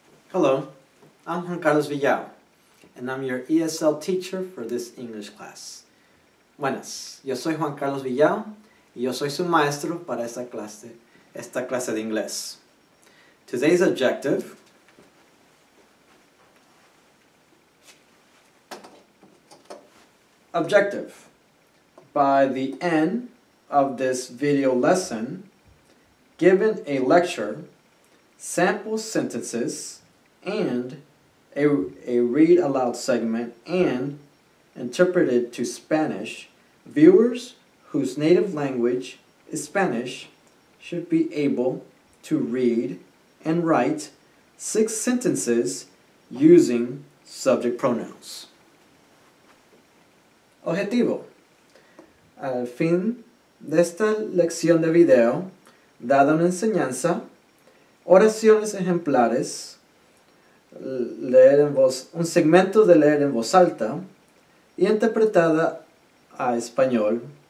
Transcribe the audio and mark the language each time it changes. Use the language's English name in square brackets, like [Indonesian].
[English] Hello, I'm Juan Carlos Villao, and I'm your ESL teacher for this English class. [Spanish] Buenas, yo soy Juan Carlos Villao, y yo soy su maestro para esta clase de inglés. [English] Today's objective objective. By the end of this video lesson, given a lecture, sample sentences, and a read aloud segment and interpreted to Spanish, viewers whose native language is Spanish should be able to read and write 6 sentences using subject pronouns. [Spanish] Objetivo. Al fin de esta lección de video, dada una enseñanza, oraciones ejemplares, un segmento de leer en voz alta y interpretada a español.